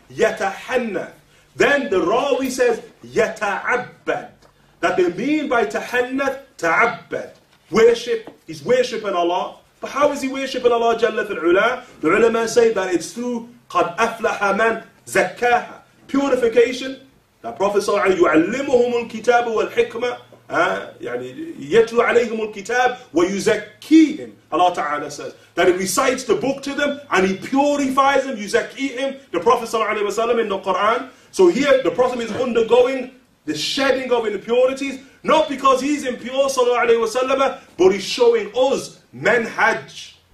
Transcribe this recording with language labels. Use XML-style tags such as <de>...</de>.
<en>Yatahanna. Then the Rawi says, yata'abbad. That they mean by tahanna, ta'abbad. Worship. He's worshipping Allah. But how is he worshipping Allah, Jalla fil ula? The ulama say that it's through</en> <ar>قَدْ أَفْلَحَ مَنْ زَكَّاهَا.</ar> <en>Purification.</en> <ar>The Prophet صلى الله عليه وسلم يُعَلِّمُهُمُ الْكِتَابُ وَالْحِكْمَةِ يعني يَتْلُ عَلَيْهُمُ الْكِتَابُ وَيُزَكِّيهِمْ.</ar> <en>Allah Ta'ala says that he recites the book to them and he purifies them, يُزَكِّيهِمْ. The Prophet صلى الله عليه وسلم in the Quran. So here the Prophet is undergoing the shedding of impurities, not because he's impure صلى الله عليه وسلم, but he's showing us manhaj.</en>